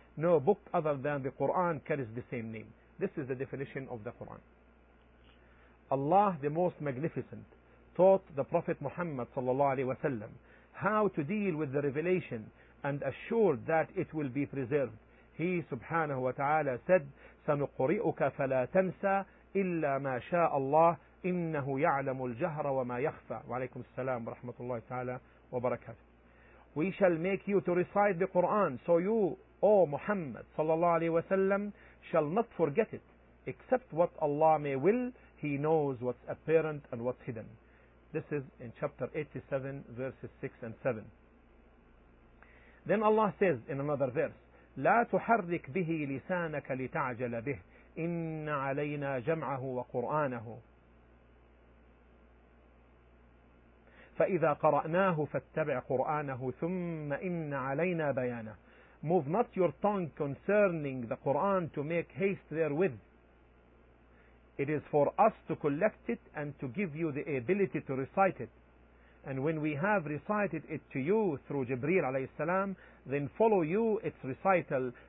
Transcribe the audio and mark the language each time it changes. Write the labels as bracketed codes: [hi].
[en] No book other than the Quran carries the same name. This is the definition of the Quran. Allah the Most Magnificent taught the Prophet Muhammad sallallahu alaihi wasallam how to deal with the revelation and assured that it will be preserved. He subhanahu wa ta'ala said, [ar] سَنُقْرِئُكَ فَلَا تَنْسَى إِلَّا مَا شَاءَ اللَّهِ إِنَّهُ يَعْلَمُ الْجَهْرَ وَمَا يَخْفَى. وَعَلَيْكُمْ السَّلَامُ وَرَحْمَةُ اللَّهِ تَعَالَى وَبَرَكَاتُ. [en] We shall make you to recite the Quran, so you, O Muhammad sallallahu alaihi wasallam, shall not forget it, except what Allah may will. He knows what's apparent and what's hidden. This is in chapter 87, verses 6 and 7. Then Allah says in another verse, [ar] لَا تُحَرِّكْ بِهِ لِسَانَكَ لِتَعْجَلَ بِهِ إِنَّ عَلَيْنَا جَمْعَهُ وَقُرْآنَهُ فَإِذَا قَرَأْنَاهُ فَاتَّبِعْ قُرْآنَهُ ثُمَّ إِنَّ عَلَيْنَا بَيَانَهُ. [en] Move not your tongue concerning the Quran to make haste therewith. It is for us to collect it and to give you the ability to recite it. And when we have recited it to you through Jibreel alayhi salam, then follow you its recital.